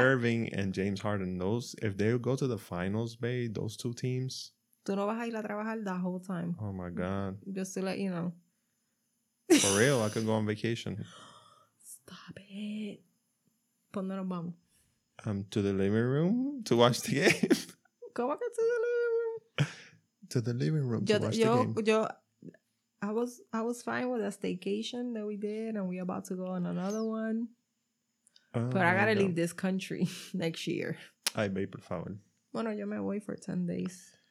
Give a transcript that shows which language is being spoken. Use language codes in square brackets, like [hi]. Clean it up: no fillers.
[en] Irving and James Harden, those if they go to the finals, babe, those two teams. [es] Tú no vas a ir a trabajar [en] the whole time. Oh my God. Just to let you know. For real, I could go on vacation. Stop it. [es] ¿Dónde nos vamos? [en] To the living room to watch the game. [es] ¿Cómo que [en] to the living room? To the living room to watch the game. I was fine with a staycation that we did, and we're about to go on another one. But I gotta leave this country next year. [es] Ay, babe, por favor. Bueno, yo me voy [en] for 10 days.